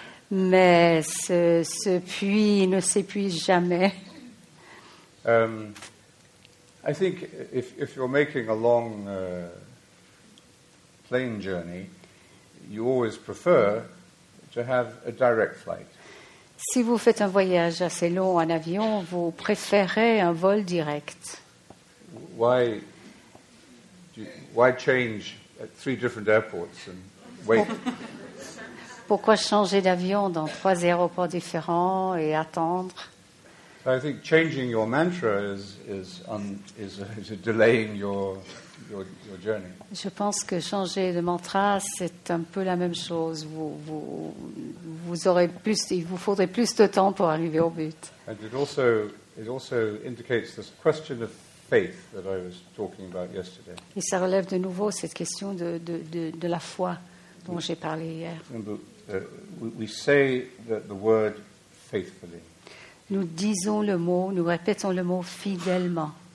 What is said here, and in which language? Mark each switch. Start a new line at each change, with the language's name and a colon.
French: Mais ce puits ne s'épuise jamais.
English: I think if you're making a long plane journey, you always prefer to have a direct flight.
French: Si vous faites un voyage assez long en avion, vous préférez un vol direct.
English: Why change at three different airports and wait.
French: Pourquoi changer d'avion dans trois aéroports différents et attendre?
English: I think changing your mantra is a delaying your journey.
French: Je pense que changer de mantra, c'est un peu la même chose. Vous aurez plus, il vous faudrait plus de temps pour arriver au but.
English: And it also indicates this question of faith that I was talking about yesterday.
French: Et ça relève de nouveau cette question de la foi dont j'ai parlé hier.
English: We say that the word faithfully.
French: Nous disons le mot, nous répétons le mot fidèlement.